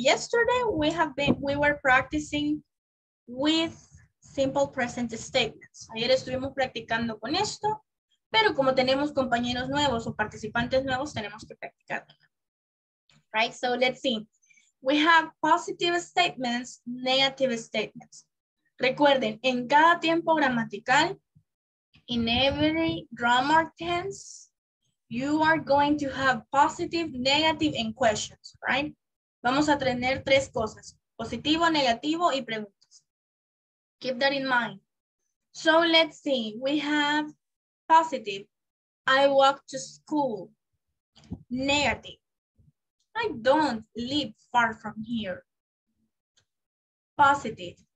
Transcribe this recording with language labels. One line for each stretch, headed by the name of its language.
English: Yesterday we were practicing with simple present statements.
Spanish: Ayer estuvimos practicando con esto, pero como tenemos compañeros nuevos o participantes nuevos, tenemos que practicarlo.
English: Right? So let's see. We have positive statements, negative statements.
Spanish: Recuerden, en cada tiempo gramatical,
English: in every grammar tense, you are going to have positive, negative, and questions, right?
Spanish: Vamos a tener tres cosas, positivo, negativo, y preguntas.
English: Keep that in mind. So let's see, we have positive. I walk to school. Negative. I don't live far from here. Positive.